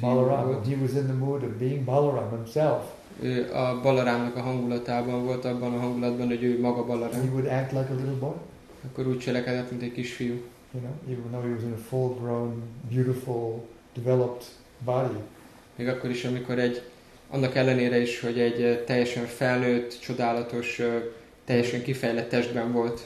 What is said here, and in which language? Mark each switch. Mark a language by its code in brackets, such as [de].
[en] Balaram, [hu] volt. [en] He was in the mood of being Balaram himself. [hu] Ő a Balaramnak a hangulatában volt, abban a hangulatban, hogy ő maga Balaram. [en] He would act like a little boy. [hu] Akkor úgy cselekedett, mint egy kisfiú. [en] You know, even though he was in a full-grown, beautiful, developed body. [hu] Még akkor is, amikor egy annak ellenére is, hogy egy teljesen felnőtt, csodálatos, teljesen kifejlett testben volt.